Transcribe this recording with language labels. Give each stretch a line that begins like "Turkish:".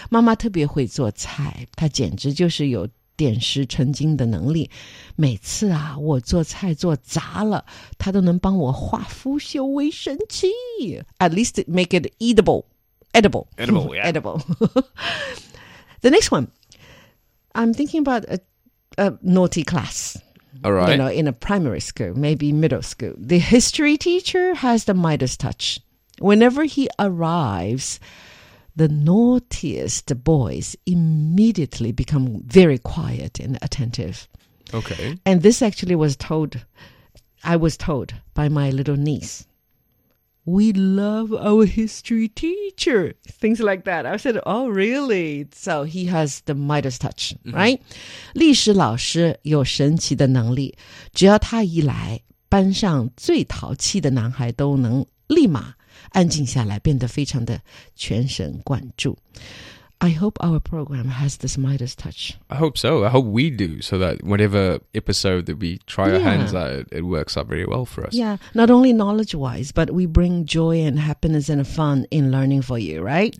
Chinese: 妈妈特别会做菜，她简直就是有点石成金的能力。每次啊，我做菜做砸了，他都能帮我化腐朽为神奇。
English: At least make it edible. The next one, I'm thinking about a naughty class. All right. You know, in a primary school, maybe middle school. The history teacher has the Midas touch. Whenever he arrives, the naughtiest boys immediately become very quiet and attentive. Okay. And this actually was told, I was told by my little niece. We love our history teacher. Things like that. I said, oh, really? So he has the Midas touch, right?
Chinese: 历史老师有神奇的能力。只要他一来，班上最淘气的男孩都能立马安静下来，变得非常的全神贯注。
English: I hope our program has this Midas touch. I hope so. I hope we do, so that whatever episode that we try our hands at, it works out very well for us. Yeah, not only knowledge-wise, but we bring joy and happiness and fun in learning for you, right?